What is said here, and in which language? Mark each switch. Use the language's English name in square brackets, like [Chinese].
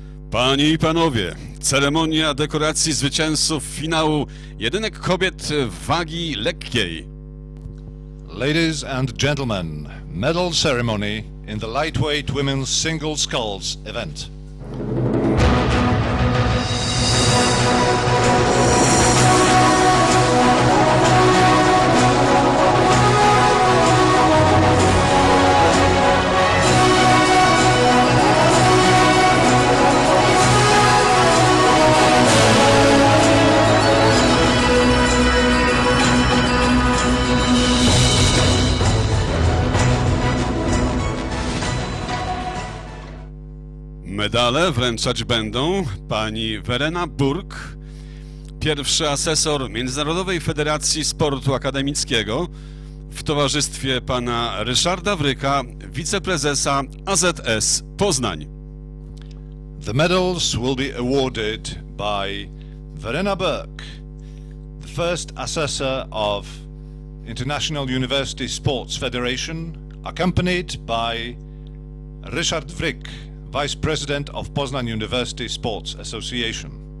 [Polish] Panie i panowie, ceremonia dekoracji zwycięzców finału jedynek kobiet wagi lekkiej. [English] Ladies and gentlemen, medal ceremony in the lightweight women's single sculls event. [Polish] Medale wręczać będą pani Werena Burg, pierwszy asesor Międzynarodowej Federacji Sportu Akademickiego, w towarzystwie pana Ryszarda Wryka, wiceprezesa AZS Poznań. [English] The medals will be awarded by Werena Burg, the first assessor of International University Sports Federation, accompanied by Ryszard Wryk, Vice President of Poznan University Sports Association.